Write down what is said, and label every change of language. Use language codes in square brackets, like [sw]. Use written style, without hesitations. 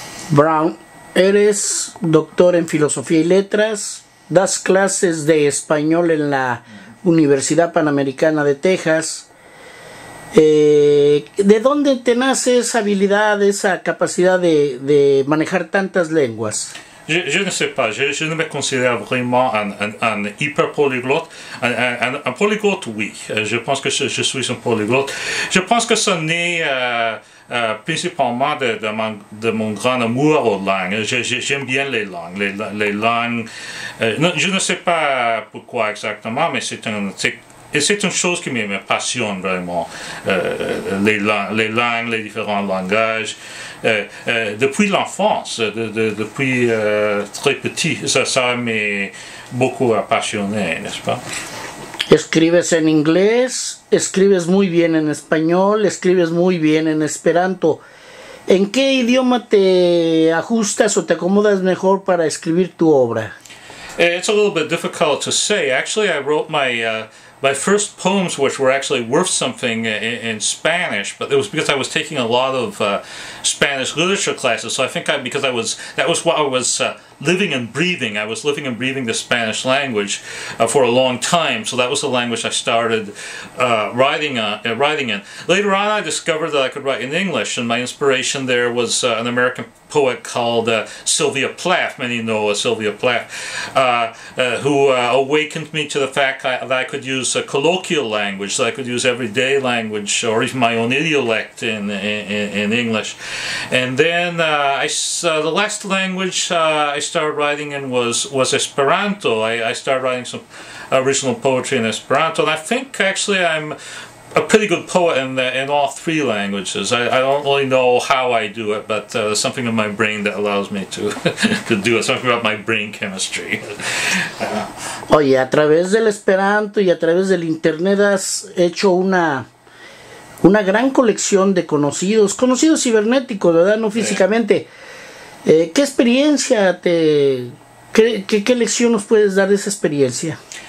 [es] Brown, eres doctor en filosofía y letras, das clases de español en la Universidad Panamericana de Texas. ¿De dónde te nace esa habilidad, esa capacidad de manejar tantas lenguas? [fr] Je ne sais pas, je ne me considère vraiment un hyper polyglotte. Un polyglotte, oui. Je pense que je suis un polyglotte. Je pense que ça n'est principalement de mon grand amour aux langues. J'aime bien les langues. Les langues, je ne sais pas pourquoi exactement, mais c'est une chose qui me passionne vraiment. Les langues, les différents langages. Depuis l'enfance, depuis très petit, ça m'a beaucoup passionné, n'est-ce pas? [es] Escribes en inglés, escribes muy bien en español, escribes muy bien en esperanto. ¿En qué idioma te ajustas o te acomodas mejor para escribir tu obra? [en] It's a little bit difficult to say. Actually, I wrote my first poems, which were actually worth something in Spanish, but it was because I was taking a lot of Spanish literature classes. So I think I was living and breathing the Spanish language for a long time. So that was the language I started writing in. Later on, I discovered that I could write in English, and my inspiration there was an American poet called Sylvia Plath. Many know Sylvia Plath, who awakened me to the fact that I could use colloquial language, that I could use everyday language, or even my own idiolect in English. And then the last language I started writing in was Esperanto. I started writing some original poetry in Esperanto, and I think actually I'm a pretty good poet in all three languages. I don't really know how I do it, but there's something in my brain that allows me to to do it. Something about my brain chemistry. [es] Oye, a través del Esperanto y a través del internet has hecho una gran colección de conocidos cibernéticos, ¿verdad? No físicamente. Sí. ¿Qué experiencia qué lección nos puedes dar de esa experiencia?